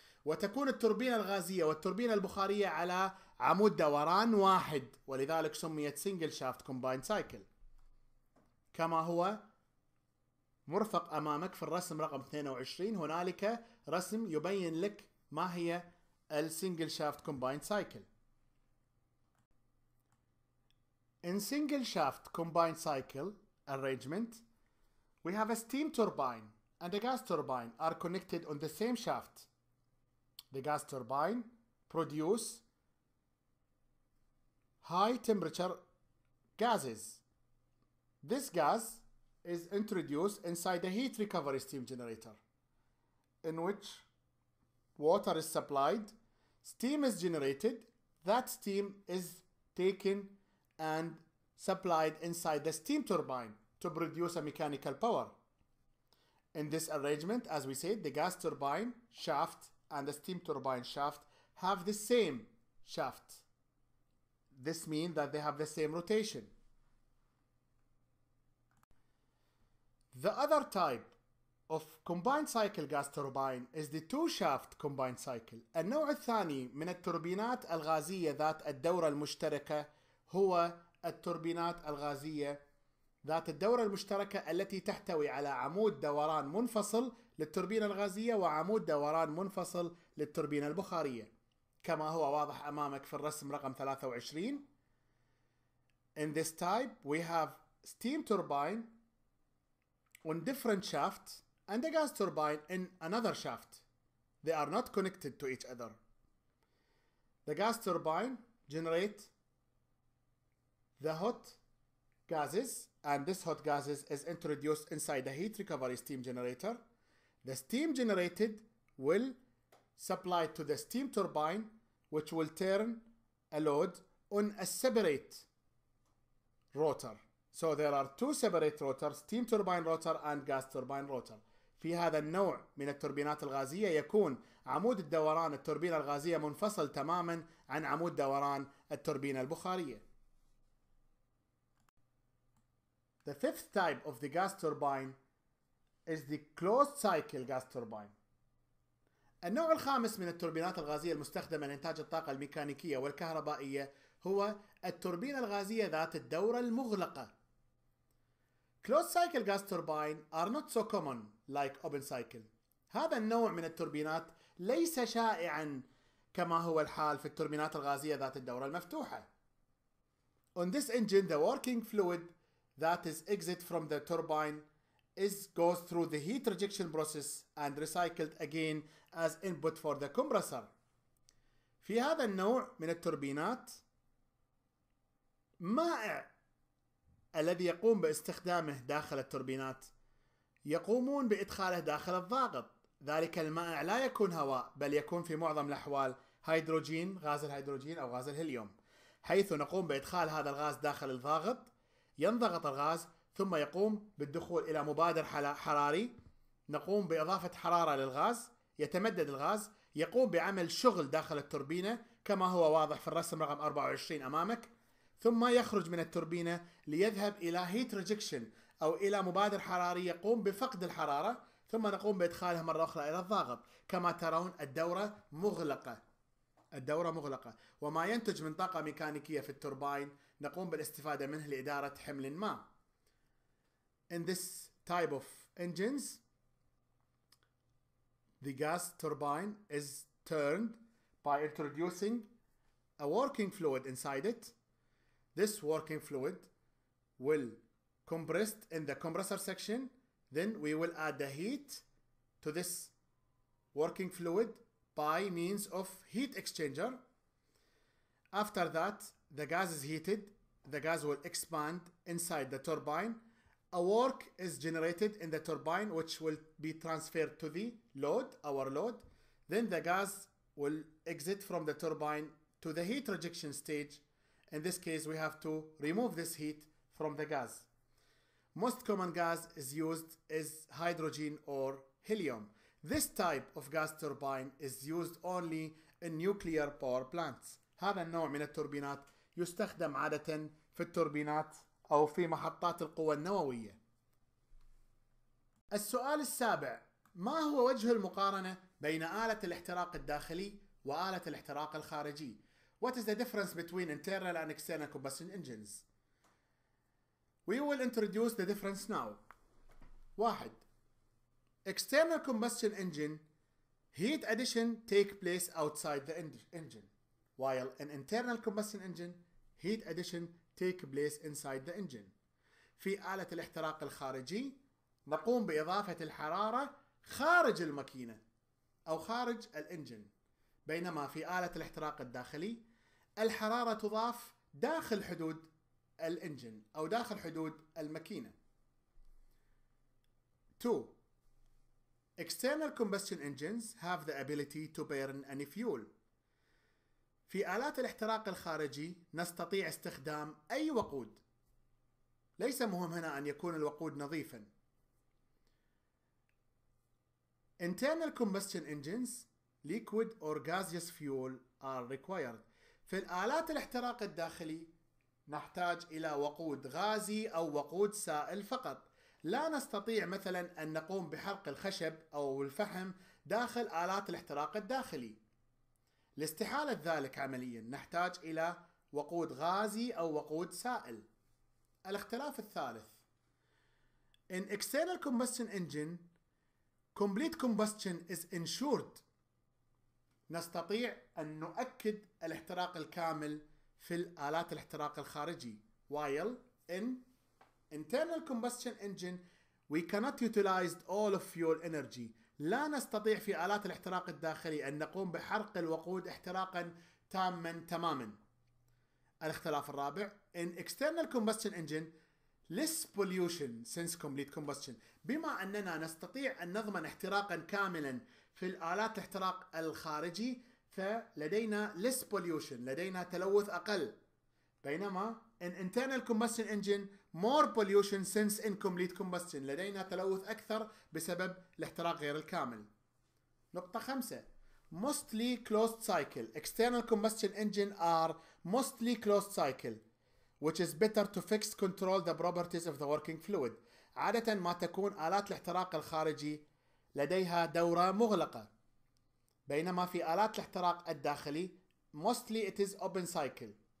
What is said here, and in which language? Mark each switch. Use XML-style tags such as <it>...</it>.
<ar>وتكون التوربينة الغازية والتوربينة البخارية على عمود دوران واحد، ولذلك سميت single shaft combined cycle كما هو مرفق أمامك في الرسم رقم 22. هنالك رسم يبين لك ما هي single shaft combined cycle.</ar> <en>In single shaft combined cycle arrangement, we have a steam turbine and a gas turbine are connected on the same shaft. The gas turbine produce high temperature gases. This gas is introduced inside the heat recovery steam generator, in which water is supplied, steam is generated, that steam is taken and supplied inside the steam turbine to produce a mechanical power. In this arrangement, as we said, the gas turbine shaft and the steam turbine shaft have the same shaft. This means that they have the same rotation. The other type of combined cycle gas turbine is the two shaft combined cycle.</en> <ar>النوع الثاني من التوربينات الغازية ذات الدورة المشتركة هو التوربينات الغازية ذات الدورة المشتركة التي تحتوي على عمود دوران منفصل للتوربينة الغازية وعمود دوران منفصل للتوربينة البخارية كما هو واضح أمامك في الرسم رقم 23.</ar> <en>In this type, we have steam turbine on different shaft and a gas turbine in another shaft. They are not connected to each other. The gas turbine generate the hot gases, and this hot gases is introduced inside the heat recovery steam generator. The steam generated will supply to the steam turbine, which will turn a load on a separate rotor. So there are two separate rotors, steam turbine rotor and gas turbine rotor.</en> <ar>في هذا النوع من التوربينات الغازية يكون عمود الدوران التوربينة الغازية منفصل تماما عن عمود دوران التوربينة البخارية.</ar> <en>The fifth type of the gas turbine is the closed cycle gas turbine.</en> <ar>النوع الخامس من التوربينات الغازية المستخدمة لإنتاج الطاقة الميكانيكية والكهربائية هو التوربين الغازية ذات الدورة المغلقة.</ar> <en>Closed cycle gas turbine are not so common like open cycle.</en> <ar>هذا النوع من التوربينات ليس شائعا كما هو الحال في التوربينات الغازية ذات الدورة المفتوحة.</ar> <en>On this engine, the working fluid that is exit from the turbine is goes through the heat rejection process and recycled again as input for the compressor.</en> <ar>في هذا النوع من التوربينات مائع الذي يقوم باستخدامه داخل التوربينات يقومون بإدخاله داخل الضاغط. ذلك المائع لا يكون هواء بل يكون في معظم الأحوال هيدروجين، غاز الهيدروجين أو غاز الهيليوم، حيث نقوم بإدخال هذا الغاز داخل الضاغط. ينضغط الغاز ثم يقوم بالدخول إلى مبادر حراري، نقوم بإضافة حرارة للغاز، يتمدد الغاز، يقوم بعمل شغل داخل التوربينة كما هو واضح في الرسم رقم 24 أمامك، ثم يخرج من التوربينة ليذهب إلى heat rejection أو إلى مبادر حراري يقوم بفقد الحرارة، ثم نقوم بإدخالها مرة أخرى إلى الضاغط. كما ترون الدورة مغلقة، الدورة مغلقة، وما ينتج من طاقة ميكانيكية في التوربين نقوم بالاستفادة منه لإدارة حمل ما.</ar> <en>In this type of engines, the gas turbine is turned by introducing a working fluid inside it. This working fluid will compressed in the compressor section. Then we will add the heat to this working fluid by means of heat exchanger. After that, the gas is heated. The gas will expand inside the turbine. A work is generated in the turbine, which will be transferred to the load, our load. Then the gas will exit from the turbine to the heat rejection stage. In this case, we have to remove this heat from the gas. Most common gas is used is hydrogen or helium. This type of gas turbine is used only in nuclear power plants.</en> <ar>هذا النوع من التوربينات يستخدم عادة في التوربينات أو في محطات القوى النووية. السؤال السابع، ما هو وجه المقارنة بين آلة الاحتراق الداخلي وآلة الاحتراق الخارجي؟</ar> <en>What is the difference between internal and external combustion engines? We will introduce the difference now. 1. External combustion engine, heat addition take place outside the engine, while an internal combustion engine, heat addition take place inside the engine.</en> <ar>في آلة الاحتراق الخارجي نقوم بإضافة الحرارة خارج الماكينة أو خارج الانجن، بينما في آلة الاحتراق الداخلي الحرارة تضاف داخل حدود الانجن أو داخل حدود الماكينة. 2.</ar> <en>External combustion engines have the ability to burn any fuel.</en> <ar>في آلات الاحتراق الخارجي نستطيع استخدام أي وقود، ليس مهم هنا أن يكون الوقود نظيفا.</ar> <en>Internal combustion engines, liquid or gaseous fuel are required.</en> <ar>في الآلات الاحتراق الداخلي نحتاج إلى وقود غازي أو وقود سائل فقط، لا نستطيع مثلا أن نقوم بحرق الخشب أو الفحم داخل آلات الاحتراق الداخلي. لاستحالة ذلك عمليا نحتاج إلى وقود غازي أو وقود سائل. الاختلاف الثالث،</ar> <en>In external combustion engine, complete combustion is ensured.</en> <ar>نستطيع أن نؤكد الاحتراق الكامل في الآلات الاحتراق الخارجي،</ar> <en>while in internal combustion engine we cannot utilize all of fuel energy.</en> <ar>لا نستطيع في آلات الاحتراق الداخلي أن نقوم بحرق الوقود احتراقا تاما تماما. الاختلاف الرابع،</ar> <en>in external combustion engine less pollution since complete combustion.</en> <ar>بما أننا نستطيع أن نضمن احتراقا كاملا في الآلات الاحتراق الخارجي فلدينا</ar> <en>less pollution،</en> <ar>لدينا تلوث أقل، بينما</ar> <en>in internal combustion engine more pollution since incomplete combustion،</en> <ar>لدينا تلوث أكثر بسبب الاحتراق غير الكامل. نقطة خمسة،</ar> <en>mostly closed cycle. External combustion engine are mostly closed cycle, which is better to fix control the properties of the working fluid.</en> <ar>عادة ما تكون آلات الاحتراق الخارجي لديها دورة مغلقة، بينما في آلات الاحتراق الداخلي</ar> <en>mostly it is open cycle.</en>